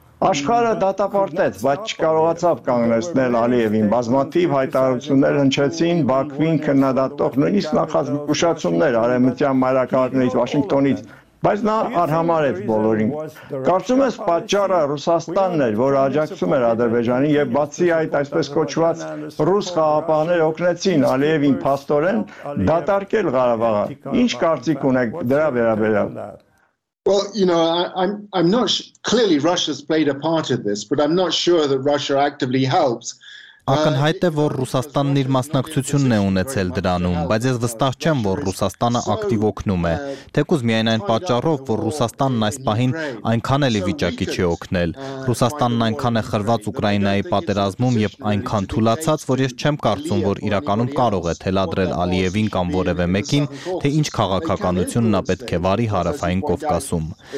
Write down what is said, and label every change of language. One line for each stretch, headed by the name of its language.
Armenian: Աշխարհը դատապարտեց, բայց չկարողացավ կանգնեցնել Ալիևին։ Բազմաթիվ հայտարարություններ հնչեցին Բաքվին քննադատող նույնիսկ նախազգուշացումներ արևմտյան մայրաքաղաքներից, Վաշինգտոնից, բայց նա արհամարեց բոլորին։ Կարծում ես պատճառը Ռուսաստանն էր, որ աջակցում էր Ադրբեջանին, եւ բացի այդ այսպես կոչված ռուս խաղապահները օգնեցին Ալիևին փաստորեն դատարկել Ղարաբաղը։ Ինչ կարծիք ունեք դրա վերաբերյալ։
English: Well, you know, I'm not clearly Russia's played a part of this, but I'm not sure that Russia actively helps.
Armenian: Ակնհայտ է, որ Ռուսաստանն իր մասնակցությունն է ունեցել դրանում, բայց ես վստահ չեմ, որ Ռուսաստանը ակտիվ օգնում է, թեկուզ միայն այն պատճառով, որ Ռուսաստանն այս պահին այնքան էլ վիճակի չի օգնել։ Ռուսաստանն այնքան է խրված Ուկրաինայի պատերազմում եւ այնքան թուլացած, որ ես չեմ կարծում, որ իրականում կարող է թելադրել Ալիևին կամ որևէ մեկին, թե ինչ քաղաքականություն նա պետք է վարի հարավային Կովկասում։